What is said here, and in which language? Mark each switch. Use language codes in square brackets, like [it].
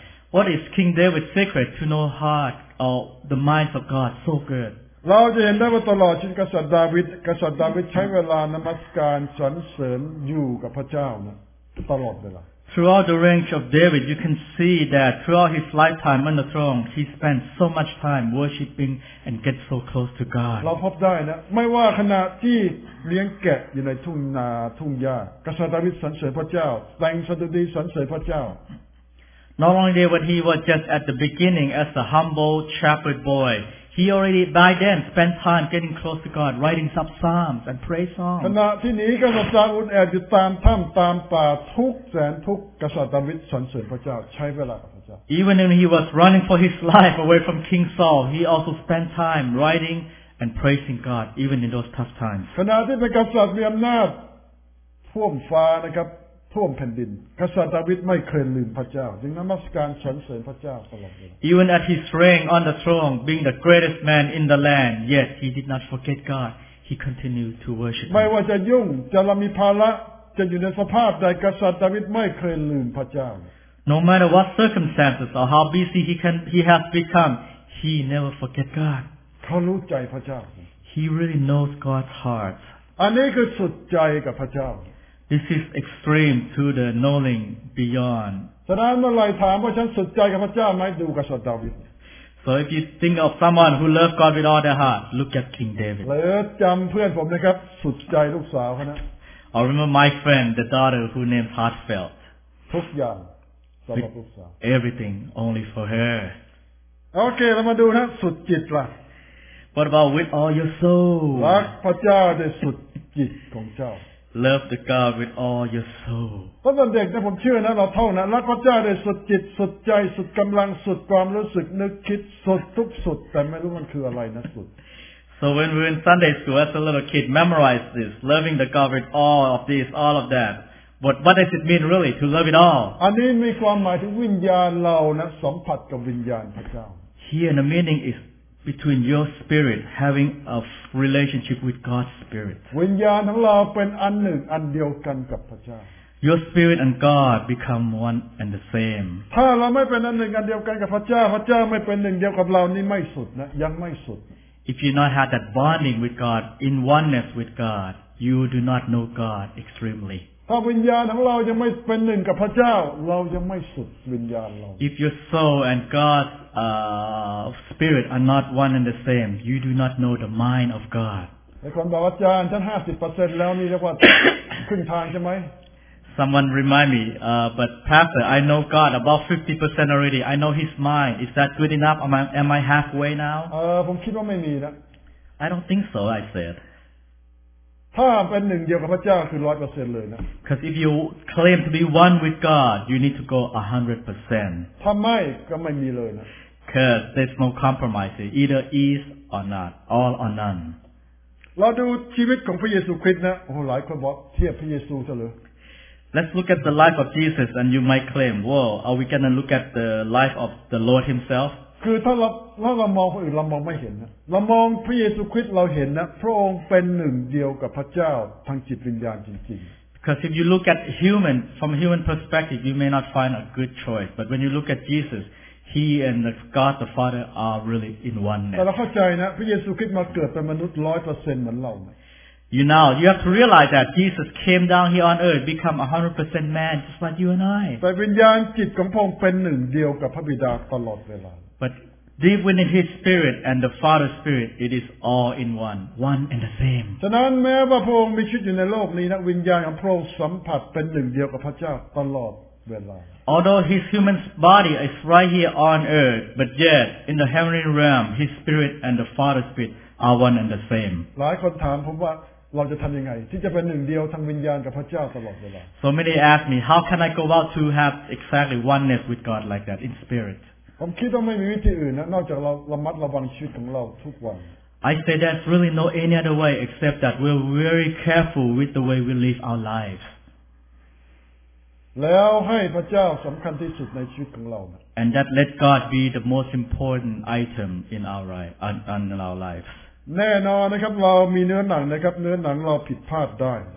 [en] What is King David's secret to know heart or the minds of God so good? [th] เราจะเห็นได้ว่าตลอดชีวิตกษัตริย์ดาวิดใช้เวลานมัสการสรรเสริญอยู่กับพระเจ้านะตลอดเวลา [en] Throughout the reign of David, you can see that throughout his lifetime on the throne, he spent so much time worshiping and get so close to God. [th] เราพบได้นะไม่ว่าขณะที่เลี้ยงแกะอยู่ในทุ่งนาทุ่งหญ้ากษัตริย์ดาวิดสรรเสริญพระเจ้าแต่งสดุดีสรรเสริญพระเจ้า [en] Not only there, but he was just at the beginning as a humble shepherd boy. He already by then spent time getting close to God, writing some psalms and pray songs. [th] ขณะที่นี้กษัตริย์ดาวิดแอบอยู่ตามถ้ำตามป่าทุกแสนทุกกษัตริย์ดาวิดสรรเสริญพระเจ้าใช้เวลากับพระเจ้า [en] Even when he was running for his life away from King Saul, he also spent time writing and praising God, even in those tough times. [th] ขณะที่เป็นกษัตริย์มีอำนาจท่วมฟ้านะครับท่วมแผ่นดินกษัตริย์ดาวิดไม่เคยลืมพระเจ้าจึงนมัสการสรรเสริญพระเจ้าตลอดเวลา [en] Even at his reign on the throne being the greatest man in the land yet he did not forget God he continued to worship [th] ไม่ว่าจะยุ่งจะมีภาระจะอยู่ในสภาพใดกษัตริย์ดาวิดไม่เคยลืมพระเจ้า [en] No matter what circumstances or how busy he has become he never forget God [th] เขารู้ใจพระเจ้า [en] He really knows God's heart [th] อันนี้คือสุดใจกับพระเจ้า [en] This is extreme to the knowing beyond. [th] ฉะนั้นเมื่อไรถามว่าฉันสุดใจกับพระเจ้าไหมดูกษัตริย์ดาวิด [en] So if you think of someone who loved God with all their heart, look at King David. [th] หรือจำเพื่อนผมนะครับสุดใจลูกสาวเขานะ [en] Or remember my friend, the daughter who named heartfelt. [th] ทุกอย่างสำหรับลูกสาว [en] Everything only for her. [th] Okay, เรามาดูนะสุดจิตล่ะ [en] What about with all your soul? [th] รักพระเจ้าด้วยสุดจิตของเจ้า [en] Love the God with all your soul. [th] ตอนเด็กนะผมเชื่อนะเราเท่านะรักพระเจ้าด้วยสุดจิตสุดใจสุดกำลังสุดความรู้สึกนึกคิดสุดทุกสุดแต่ไม่รู้มันคืออะไรนะสุด [en] So when we were in Sunday school as a little kid, memorize this, loving the God with all of this, all of that. But what does it mean really to love it all? [th] อันนี้มีความหมายถึงวิญญาณเรานะสัมผัสกับวิญญาณพระเจ้า [en] Here the meaning is. Between your spirit having a relationship with God's spirit. [th] วิญญาณของเราเป็นอันหนึ่งอันเดียวกันกับพระเจ้า [en] Your spirit and God become one and the same. [th] ถ้าเราไม่เป็นอันหนึ่งอันเดียวกันกับพระเจ้าพระเจ้าไม่เป็นหนึ่งเดียวกับเรานี่ไม่สุดนะยังไม่สุด [en] If you not have that bonding with God in oneness with God, you do not know God extremely. [th] ถ้าวิญญาณของเรายังไม่เป็นหนึ่งกับพระเจ้าเรายังไม่สุดวิญญาณเรา [en] If your soul and God's spirit are not one and the same, you do not know the mind of God. [th] ในคนบอกว่าจานฉัน 50% แล้วนี่เรียกว่าครึ่งทางใช่ไหม [en] Someone remind me, but Pastor, I know God about 50% already. I know His mind. Is that good enough? Am I halfway now? [th] ผมคิดว่าไม่มีนะ [en] I don't think so. I said. [th] ถ้าเป็นหนึ่งเดียวกับพระเจ้าคือ 100% เลยนะ [en] Because if you claim to be one with God you need to go 100% [th] ถ้าไม่ก็ไม่มีเลยนะ [en] Because there's no compromise either is or not all or none [th] เราดูชีวิตของพระเยซูคริสต์นะโอ้หลายคนบอกเทียบพระเยซูซะเลย [en] Let's look at the life of Jesus and you might claim whoa are we going to look at the life of the Lord himself [th] คือถ้าเรามองคนอื่นเรามองไม่เห็นนะเรามองพระเยซูคริสต์เราเห็นนะพระองค์เป็นหนึ่งเดียวกับพระเจ้าทางจิตวิญญาณจริงๆ [en] Because if you look at human from human perspective you may not find a good choice but when you look at Jesus he and the God the Father are really in oneness [th] แต่เราเข้าใจนะพระเยซูคริสต์มาเกิดเป็นมนุษย์ 100% เหมือนเราไหม [en] You know you have to realize that Jesus came down here on earth become 100% man just like you and I [th] แต่วิญญาณจิตของพระองค์เป็นหนึ่งเดียวกับพระบิดาตลอดเวลา [en] But deep within His Spirit and the Father's Spirit, it is all in one, one and the same. [th] ฉะนั้นแม้ว่าพระองค์มีชีวิตอยู่ในโลกนี้นะวิญญาณของพระองค์สัมผัสเป็นหนึ่งเดียวกับพระเจ้าตลอดเวลา [en] Although His human body is right here on earth, but yet in the heavenly realm, His Spirit and the Father's Spirit are one and the same. [th] หลายคนถามผมว่าเราจะทำยังไงที่จะเป็นหนึ่งเดียวทางวิญญาณกับพระเจ้าตลอดเวลา [en] So many ask me, how can I go out to have exactly oneness with God like that in spirit? [th] ผมคิดว่าไม่มีวิธีอื่นนะนอกจากเราระมัดระวังชีวิตของเราทุกวัน [en] I say there's really no any other way except that we're very careful with the way we live our life [th] แล้วให้พระเจ้าสำคัญที่สุดในชีวิตของเรา [en] And that let God be the most important item in our life on our life [th] แน่นอนนะครับเรามีเนื้อหนังนะครับเนื้อหนังเราผิดพลาดได้